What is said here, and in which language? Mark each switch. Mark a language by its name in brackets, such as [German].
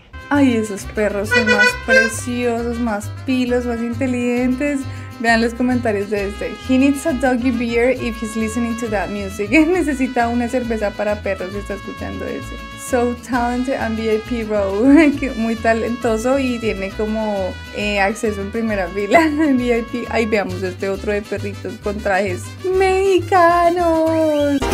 [Spanish] Ay, esos perros son más preciosos, más pilos, más inteligentes. Vean los comentarios de este. [English] He needs a doggy beer if he's listening to that music. [Spanish] Necesita una cerveza para perros si está escuchando ese. [English] So talented and VIP row. [Spanish] Muy talentoso y tiene como acceso en primera fila. VIP. Ay, veamos este otro de perritos con trajes mexicanos.